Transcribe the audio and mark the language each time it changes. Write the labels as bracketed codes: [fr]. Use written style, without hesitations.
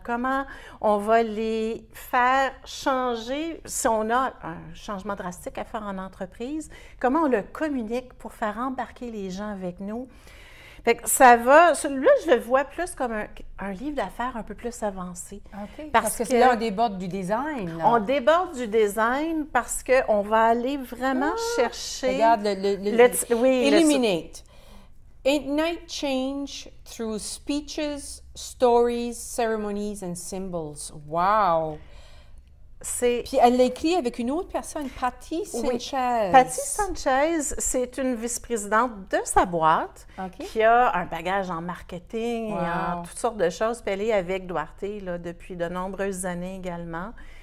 [fr] Comment on va les faire changer, si on a un changement drastique à faire en entreprise, comment on le communique pour faire embarquer les gens avec nous? Fait que ça va, celui-là, je le vois plus comme un livre d'affaires un peu plus avancé. Parce que là, on déborde du design. On déborde du design parce qu'on va aller vraiment chercher... Regarde, [en] Illuminate. Ignite change through speeches, stories, ceremonies and symbols. Wow! [fr] Puis elle l'a écrit avec une autre personne, Patty Sanchez. Patty Sanchez, c'est une vice-présidente de sa boîte qui a un bagage en marketing, et en toutes sortes de choses. Puis elle est avec Duarte là, depuis de nombreuses années également.